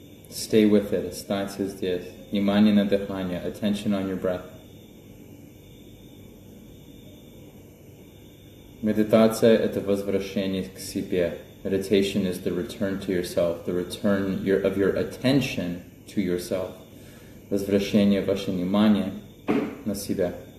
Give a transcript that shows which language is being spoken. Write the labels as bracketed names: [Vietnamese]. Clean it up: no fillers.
[English] Stay with it. [Russian] Останься здесь. Внимание на дыхание. [English] Attention on your breath. [Russian] Медитация – это возвращение к себе. [English] Meditation is the return to yourself, the return of your attention to yourself. [Russian] Возвращение ваше внимание на себя.